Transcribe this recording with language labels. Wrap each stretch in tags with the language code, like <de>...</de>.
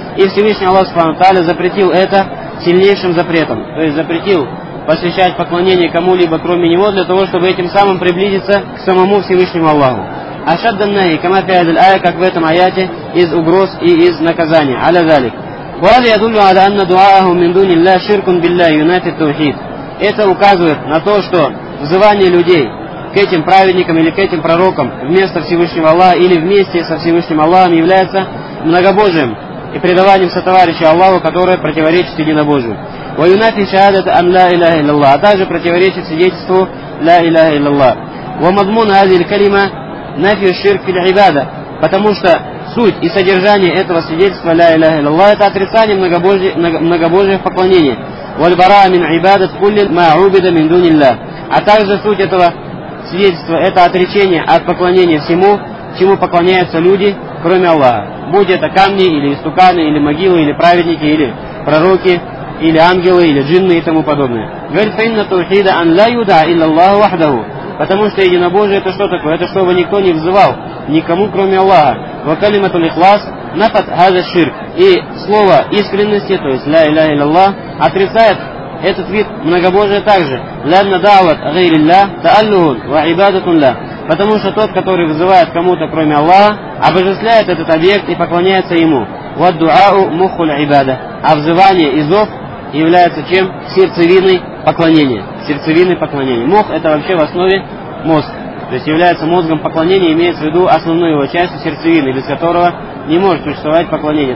<ru>И Всевышний Аллах Субхану Тааля запретил это сильнейшим запретом, то есть запретил посвящать поклонение кому-либо, кроме Него, для того, чтобы этим самым приблизиться к самому Всевышнему Аллаху. «Ашаддан-наи, кама фи азиль ая», как в этом аяте, из угроз и из наказания, аля залик.</ru> <ar>وهذا يدل على أن دعاءه من دون الله شرك بالله ينافي التوحيد.</ar> <ru>Это указывает на то, что взывание людей к этим праведникам или к этим пророкам вместо Всевышнего Аллаха или вместе со Всевышним Аллахом является многобожием и предаванием сотоварища Аллаху, которое противоречит единобожию.</ru> <ar>وينافي شهادة أن لا إله إلا الله, а также противоречит свидетельству لا إله إلا الله.</ar> <ru>ومضمون هذه الكلمة نفي الشرك في العبادة, потому что суть и содержание этого свидетельства «Ля Илляха Илляллах» – это отрицание многобожия в поклонении. «Вальбараа мин ибадат куллин ма убида мин дуниллах». А также суть этого свидетельства – это отречение от поклонения всему, чему поклоняются люди, кроме Аллаха. Будь это камни, или истуканы, или могилы, или праведники, или пророки, или ангелы, или джинны и тому подобное. «Галь фаинна тухида ан ла юда илляллаху вахдаху». Потому что единобожие – это что такое? Это чтобы никто не взывал никому, кроме Аллаха. Вакалимату лихлас, نفت هذا الشرك и слово искренности, то есть ля иляха илляллах, отрицает этот вид многобожия также.</ru> <ar>لأن دعوة غير الله تألّه وعبادة له.</ar> <ru>Потому что тот, который вызывает кому-то кроме Аллаха, обожествляет этот объект и поклоняется ему.</ru> <ar>وَالدُعَاءُ مُخُّ الْعِبَادَةِ.</ar> <ru>А взывание и зов является чем? Сердцевиной поклонения. Сердцевиной поклонения. Мох – это вообще в основе мозг. То есть является мозгом поклонения, имеется в виду основную его часть, сердцевины, без которого не может существовать поклонение.</ru>